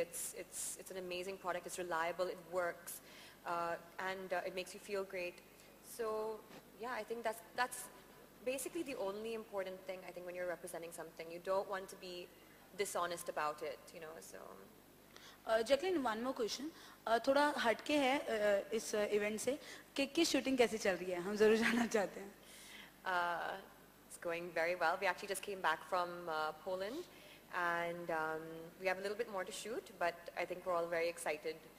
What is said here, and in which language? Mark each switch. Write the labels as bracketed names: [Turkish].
[English] It's an amazing product. It's reliable. It works. And it makes you feel great. So, yeah, I think that's basically the only important thing, I think, when you're representing something. You don't want to be dishonest about it, you know, so... Jacqueline, one more question. [Hindi] थोड़ा हटके है इस event से कि किस shooting कैसे चल रही है हम जरूर जानना चाहते हैं. [English] It's going very well. We actually just came back from Poland, and we have a little bit more to shoot, but I think we're all very excited.